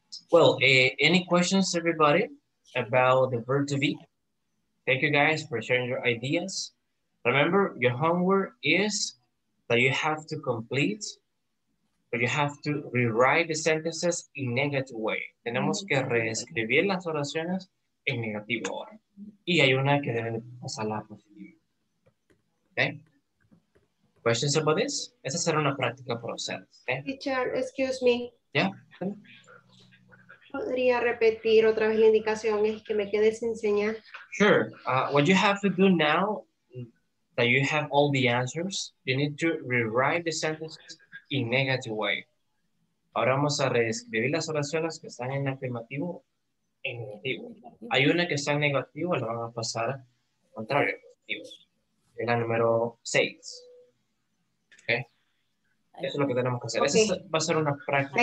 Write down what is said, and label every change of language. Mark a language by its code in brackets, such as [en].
[en] Well, any questions, everybody? About the verb to be. Thank you guys for sharing your ideas. Remember, your homework is that you have to complete, but you have to rewrite the sentences in negative way. [es] Tenemos que reescribir las oraciones en negativo ahora. Y hay una que deben pasar la positiva. Okay? [en] questions about this? [es] Esa será una práctica para ustedes. [en] Teacher, excuse me. Yeah. [es] ¿Podría repetir otra vez la indicación? Es que me quedé sin señal. [en] Sure. What you have to do now that you have all the answers, you need to rewrite the sentences in negative way. [es] Ahora vamos a reescribir las oraciones que están en afirmativo en negativo. Hay una que está en negativo, la van a pasar al contrario. Es la número 6. Okay. Eso es lo que tenemos que hacer. Okay. Esa va a ser una práctica.